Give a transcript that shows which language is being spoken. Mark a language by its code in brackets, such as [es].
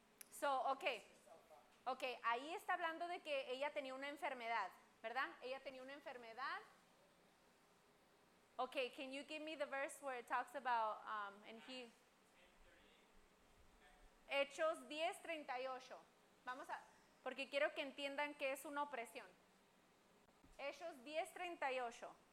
[es] So, okay, ahí está hablando de que ella tenía una enfermedad, ¿verdad? Ella tenía una enfermedad. [en] Okay, can you give me the verse where it talks about, and he... [es] Hechos 10:38. Vamos a, porque quiero que entiendan que es una opresión. Hechos 10:38.